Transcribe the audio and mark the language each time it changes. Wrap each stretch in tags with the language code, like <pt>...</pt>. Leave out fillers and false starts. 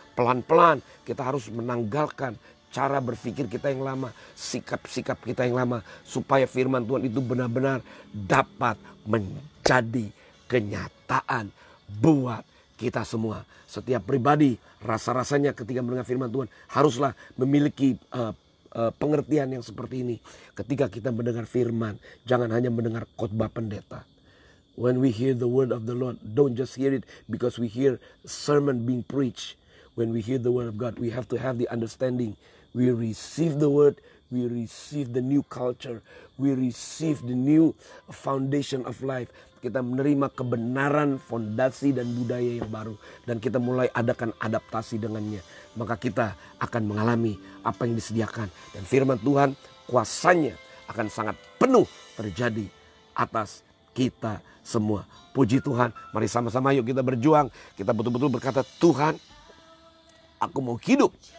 <id>Pelan-pelan kita harus menanggalkan cara berpikir kita yang lama, sikap-sikap kita yang lama, supaya firman Tuhan itu benar-benar dapat menjadi kenyataan buat kita semua. Setiap pribadi rasa-rasanya ketika mendengar firman Tuhan haruslah memiliki pengertian yang seperti ini. Ketika kita mendengar firman, jangan hanya mendengar khotbah pendeta.</id> <en>When we hear the word of the Lord, don't just hear it because we hear sermon being preached. When we hear the word of God, we have to have the understanding. We receive the word, we receive the new culture, we receive the new foundation of life.</en> <id>Kita menerima kebenaran, fondasi, dan budaya yang baru. Dan kita mulai adakan adaptasi dengannya. Maka kita akan mengalami apa yang disediakan. Dan firman Tuhan, kuasanya akan sangat penuh terjadi atas kita semua. Puji Tuhan, mari sama-sama yuk kita berjuang. Kita betul-betul berkata, Tuhan, aku mau hidup.</id>